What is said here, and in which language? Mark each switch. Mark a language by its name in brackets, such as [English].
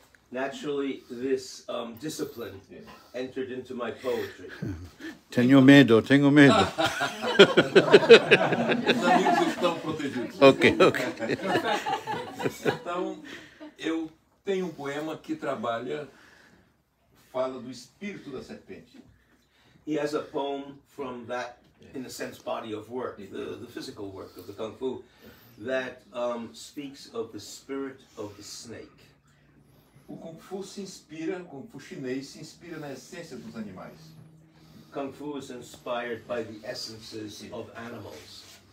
[English] Naturally, this discipline entered into my poetry. [Portuguese] Tenho medo. Os amigos estão protegidos. Ok, ok. Então, eu tenho um poema que trabalha, fala do espírito da serpente. [English] He has a poem from that, in a sense, body of work, the physical work of the Kung Fu, that speaks of the spirit of the snake. [Portuguese] O Kung Fu se inspira, o Kung Fu chinês se inspira na essência dos animais. [English] Kung Fu is inspired by the essences of animals.